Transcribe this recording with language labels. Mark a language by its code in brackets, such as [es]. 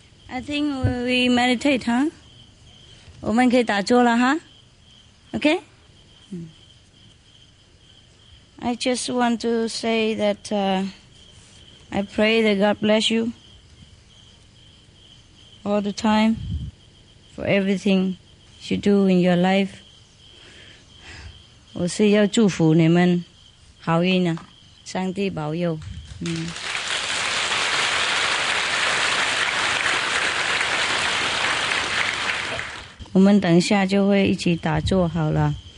[en] I think we meditate, huh? [zh] 我们可以打坐了哈 ，OK? [en] I just want to say that I pray that God bless you all the time for everything you do in your life. [zh] 我是要祝福你们好运啊，上帝保佑。我们等一下就会一起打坐好了。